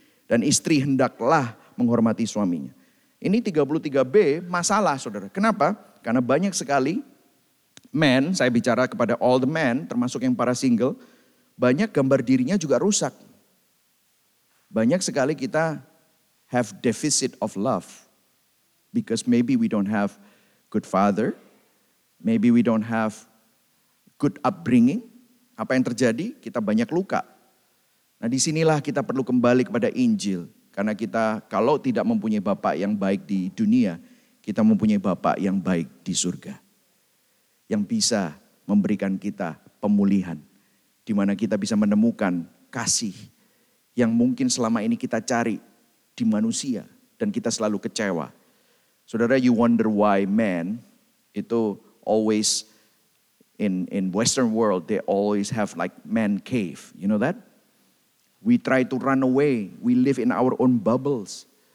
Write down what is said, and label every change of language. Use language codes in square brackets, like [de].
[id] Dan istri hendaklah menghormati suaminya. Ini 33b masalah saudara. Kenapa? Karena banyak sekali men, saya bicara kepada [en] all the men, [id] termasuk yang para single, banyak gambar dirinya juga rusak. Banyak sekali kita [en] have deficit of love. Because maybe we don't have good father. Maybe we don't have good upbringing. [id] Apa yang terjadi? Kita banyak luka. Nah, disinilah kita perlu kembali kepada Injil. Karena kita kalau tidak mempunyai Bapak yang baik di dunia, kita mempunyai Bapak yang baik di surga. Yang bisa memberikan kita pemulihan. Di mana kita bisa menemukan kasih yang mungkin selama ini kita cari di manusia. Dan kita selalu kecewa. [en] Saudara, you wonder why men itu always in Western world, they always have like man cave. You know that? We try to run away. We live in our own bubbles.